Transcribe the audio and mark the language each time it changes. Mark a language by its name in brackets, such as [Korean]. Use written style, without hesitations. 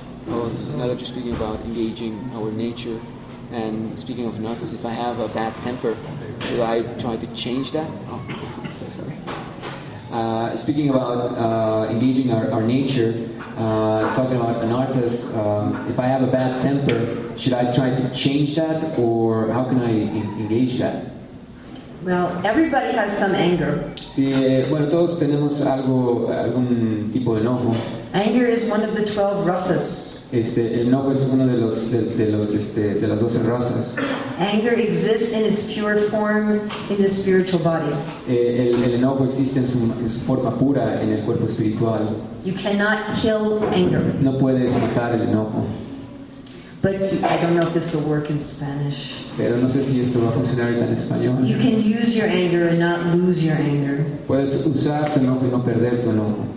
[English] Now that you're speaking about engaging our nature, and speaking of anarthas, if I have a bad temper, should I try to change that? Oh, so sorry. Speaking about engaging our nature, talking about anarthas, if I have a bad temper, should I try to change that, or how can I engage that? Well, everybody has some anger. [Spanish] Sí, bueno, todos tenemos algún tipo de enojo. [English] Anger is one of the 12 rasas. [Spanish] El enojo es uno de las 12 razas. [English] Anger exists in its pure form in the spiritual body. [Spanish] El enojo existe en su forma pura en el cuerpo espiritual. [English] You cannot kill anger. [Spanish] No puedes matar el enojo. [English] But I don't know if this will work in Spanish. [Spanish] Pero no sé si esto va a funcionar en español. [English] You can use your anger and not lose your anger. [Spanish] Puedes usar tu enojo y no perder tu enojo.